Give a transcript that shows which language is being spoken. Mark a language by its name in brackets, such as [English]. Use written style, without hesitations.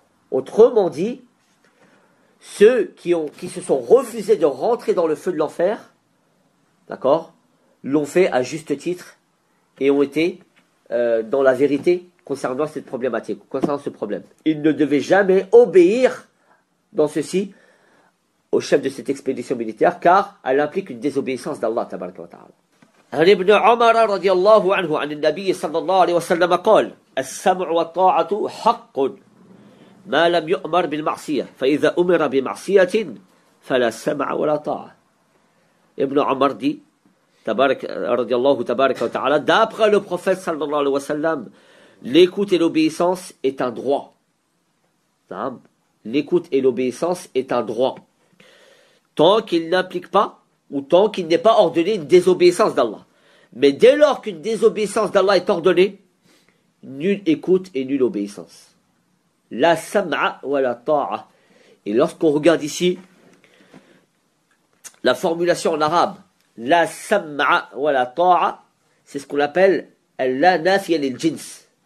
[French] Autrement dit, ceux qui se sont refusés de rentrer dans le feu de l'enfer, d'accord, l'ont fait à juste titre et ont été dans la vérité concernant cette problématique, concernant ce problème. Ils ne devaient jamais obéir dans ceci au chef de cette expédition militaire, car elle implique une désobéissance d'Allah, tabaraka wa ta'ala. [Arabic] عن ابن عمر رضي الله عنه عن النبي صلى الله عليه وسلم قال السمع والطاعة حق ما لم يؤمر بالمعصية فإذا أمر بمعصية فلا سمع ولا طاعة. ابن عمر دي تبارك رضي الله تبارك وتعالى دابغ [French] le prophète صلى الله عليه وسلم l'écoute et l'obéissance est un droit. L'écoute et l'obéissance est un droit tant qu'il n'implique pas ou tant qu'il n'est pas ordonné une désobéissance d'Allah. Mais dès lors qu'une désobéissance d'Allah est ordonnée, nulle écoute et nulle obéissance. [Arabic] La sam'a wa la ta'a. [French] Et lorsqu'on regarde ici la formulation en arabe, la sam'a wa la ta'a, c'est ce qu'on appelle la nafi al jins.